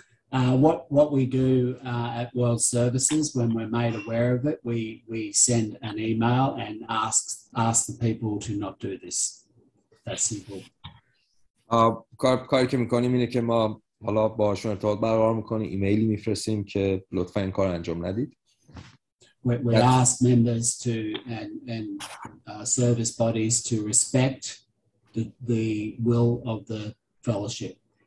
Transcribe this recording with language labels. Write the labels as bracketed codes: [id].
[en] What we do at World Services, when we're made aware of it, we send an email and ask the people to not do this. That's simple. [fa] کاری که میکنیم اینه که ما حالا باهاشون ارتباط برقرار میکنیم، ایمیلی میفرستیم که لطفا این کار انجام ندید. [en] We ask members to and service bodies to respect the will of the fellowship.